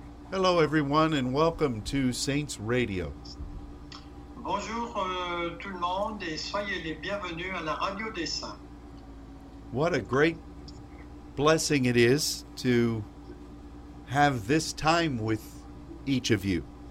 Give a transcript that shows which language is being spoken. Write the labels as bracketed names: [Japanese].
[English] Hello, everyone, and welcome to Saints Radio. [French] Bonjour, tout le monde, et soyez les bienvenus à la Radio des Saints. [English] What a great blessing it is to have this time with each of you.